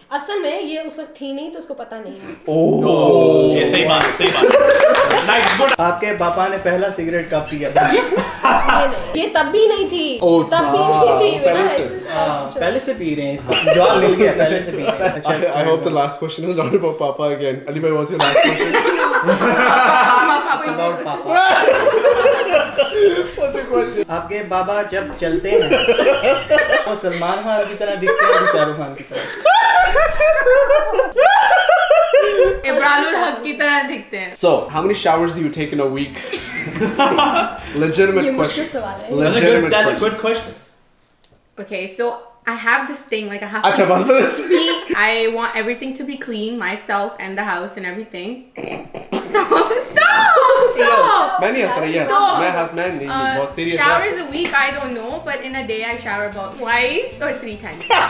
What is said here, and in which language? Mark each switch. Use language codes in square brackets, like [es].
[hi] असल में ये उस वक्त थी नहीं तो उसको पता नहीं. [en] Oh. [hi] ये सही बात है, सही बात. आपके पापा ने पहला सिगरेट कब पिया? ये तब भी नहीं थी. तब भी नहीं थी. पहले से पी रहे हैं. जवाब मिल गया, पहले से पी रहे हैं. [en] I hope the last question is not about papa again. Ali bhai, what's your last question? About papa. What's your question? [hi] आपके बाबा जब चलते हैं वो सलमान खान की तरह दिखते हैं या शाहरुख खान की तरह? [en] So, how many showers do you take in a week? Legitimate question. Legitimate question. That's a good question. Okay, so I have this thing, like I have to be clean. I want everything to be clean, myself and the house and everything. So, showers a week, I don't know, but in a day I shower about twice or three times.